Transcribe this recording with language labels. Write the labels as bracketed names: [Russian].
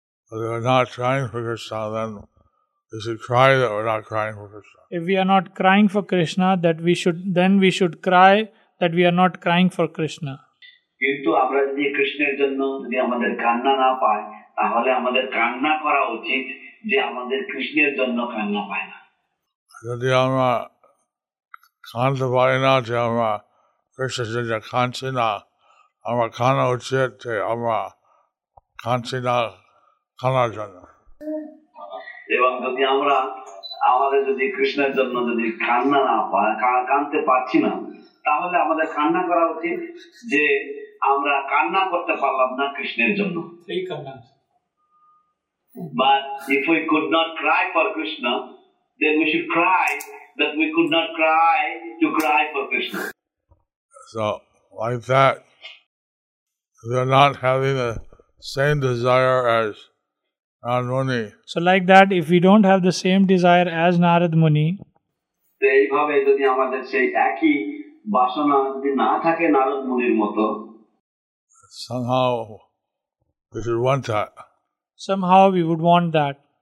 [English] But if we are not crying for Krishna, then we should cry that we are not crying for Krishna. If we are not crying for Krishna, that we should, then we should cry that we are not crying for Krishna. [Bangla] কিন্তু আমরা যদি কৃষ্ণের জন্য যদি আমাদের কান্না না পাই, তাহলে আমাদের কান্না করা উচিত যে আমাদের কৃষ্ণের জন্য কান্না পায় না। যদি আমরা কান্না পাই না যে আমরা কৃষ্ণের জন্য কাঁদছি না, আমরা কান্না উচিত যে আমরা কাঁদছি না কান্নার জন্য। এবং যদি আমরা আমাদের যদি কৃষ্ণের জন্য যদি কান্না না পাই, কাঁদতে পারছি না, তাহলে আমাদের কান্না করা উচিত যে আমরা কান্না করতে পারলাম না কৃষ্ণের জন্য। [English] But if we could not cry for Krishna, then we should cry that we could not cry to cry for Krishna. So, like that, they're not having the same desire as Narad Muni. So, like that, if we don't have the same desire as Narad Muni, [Bangla] এইভাবে যদি আমাদের সেই একই বাসনা যদি না থাকে নারদ মুনির মতো, [English] somehow we should want that. Somehow we would want that.